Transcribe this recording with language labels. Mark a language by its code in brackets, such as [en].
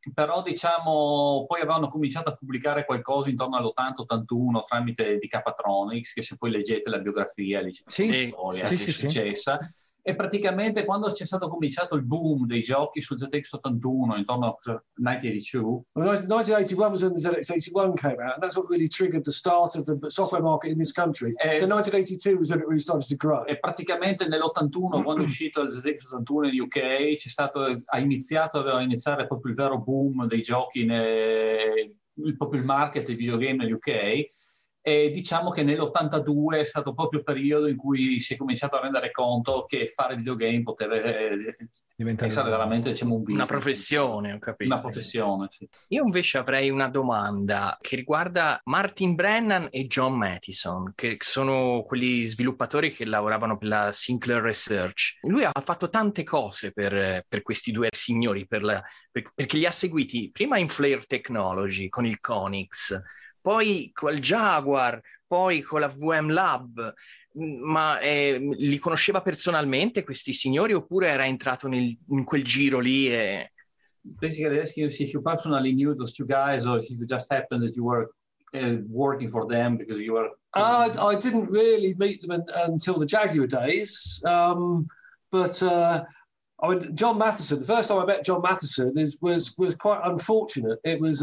[it] Però diciamo poi avevano cominciato a pubblicare qualcosa intorno all'80-81 tramite Decapatronics, che se poi leggete la biografia lì c'è una storia che è successa. Sì. E praticamente quando c'è stato cominciato il boom dei giochi sul ZX81 intorno al 1982. [en] 1981 was when the ZX81 came out, and that's what really triggered the start of the software market in this country. The 1982 was when it really started to grow. [it] E praticamente nell'81 quando è uscito il ZX81 in UK, c'è stato, ha iniziato proprio il vero boom dei giochi, proprio il market dei videogame nel UK. E diciamo che nell'82 è stato proprio il periodo in cui si è cominciato a rendere conto che fare videogame poteva diventare veramente, diciamo, un business. Una professione, ho capito. Una professione, sì. Io invece avrei una domanda che riguarda Martin Brennan e John Matheson, che sono quegli sviluppatori che lavoravano per la Sinclair Research. Lui ha fatto tante cose per questi due signori, perché li ha seguiti prima in Flare Technology con il Konics, poi col Jaguar, poi con la VM Lab, ma li conosceva personalmente questi signori oppure era entrato in quel giro lì? E... [en] Basically, if you personally knew those two guys, or if it just happened that you were working for them because you were... I didn't really meet them until the Jaguar days, John Matheson, the first time I met John Matheson was quite unfortunate. It was...